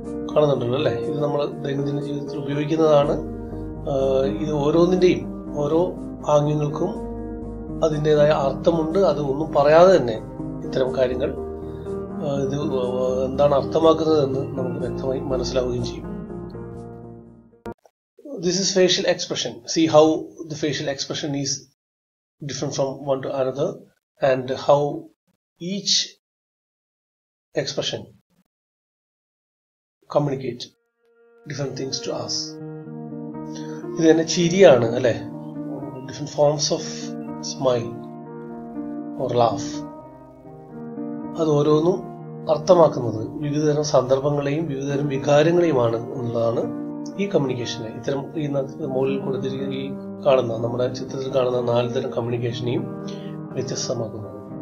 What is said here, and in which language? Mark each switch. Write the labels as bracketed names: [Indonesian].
[Malayalam] കാണുന്നുണ്ടല്ലോ അല്ലേ? ഇത് നമ്മൾ ദൈനംദിന ജീവിതത്തിൽ ഉപയോഗിക്കുന്നതാണ്. ഇത് ഓരോന്നിൻ്റെയും ഓരോ ആംഗ്യങ്ങൾക്കും അതിൻ്റെതായ അർത്ഥമുണ്ട്. അത് ഒന്നും പറയാതെ തന്നെ ഇത്തരം കാര്യങ്ങൾ ഇത് എന്താണ് അർത്ഥമാക്കുന്നതെന്ന് നമുക്ക് വ്യക്തമായി മനസ്സിലാവുകയും ചെയ്യും. [English] This is facial expression. See how the facial expression is different from one to another and how each expression communicates different things to us. [Malayalam] ഇത് തന്നെ ചിരിയാണ് അല്ലേ? [English] Different forms of smile or laugh. [Malayalam] അത് ഓരോന്നും അർത്ഥമാക്കുന്നത് വിവിധതരം സന്ദർഭങ്ങളെയും വിവിധതരം വികാരങ്ങളെയുമാണ് എന്നുള്ളതാണ് ഈ കമ്മ്യൂണിക്കേഷനെ ഇത്തരം ഈ മുകളിൽ കൊടുത്തിരിക്കുന്ന ഈ കാണുന്ന നമ്മുടെ ചിത്രത്തിൽ കാണുന്ന നാല് തരം കമ്മ്യൂണിക്കേഷനെയും വ്യത്യസ്തമാക്കുന്നത്.